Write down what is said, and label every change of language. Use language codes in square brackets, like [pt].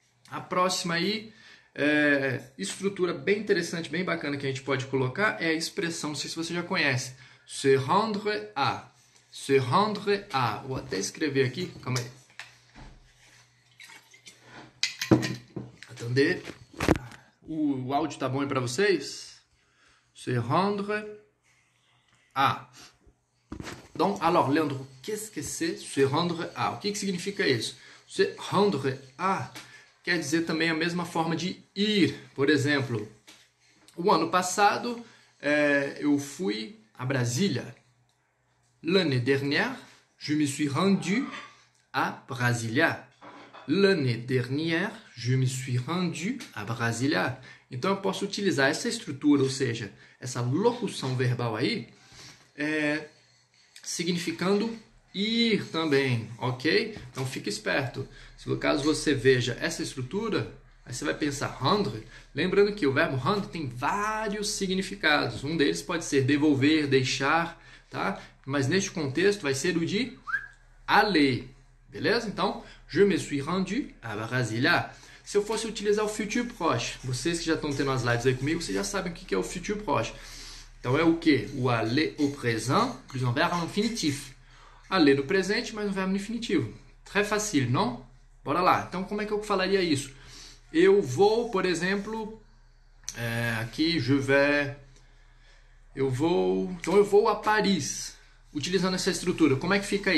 [pt] A próxima aí, estrutura bem interessante, bem bacana que a gente pode colocar é a expressão, não sei se você já conhece, se rendre a. Se rendre a. Vou até escrever aqui. Calma aí. Atender. O áudio tá bom aí para vocês? [fr] Se rendre a. Então, alors, Leandro, qu'est-ce que c'est se rendre a? [pt] O que que significa isso? Se rendre a quer dizer também a mesma forma de ir. Por exemplo, o ano passado, eu fui a Brasília. [fr] L'année dernière, je me suis rendu à Brasilia. L'année dernière, je me suis rendu à Brasilia. [pt] Então eu posso utilizar essa estrutura, ou seja, essa locução verbal aí, significando ir também, ok? Então fica esperto. Se no caso você veja essa estrutura, aí você vai pensar rendre, lembrando que o verbo rendre tem vários significados. Um deles pode ser devolver, deixar, tá? Mas neste contexto vai ser o de aller. Beleza? Então, [fr] je me suis rendu à Brasília. [pt] Se eu fosse utilizar o futur proche, vocês que já estão tendo as lives aí comigo, vocês já sabem o que é o futur proche. Então é o quê? O [fr] aller au présent, plus [pt] um verbo no infinitif. Aller no presente, mais um verbo no infinitivo. [fr] Très facile, [pt] não? Bora lá. Então, como é que eu falaria isso? Eu vou, por exemplo, aqui, [fr] je vais. [pt] Eu vou. Então, eu vou a Paris. Utilizando essa estrutura, como é que fica aí?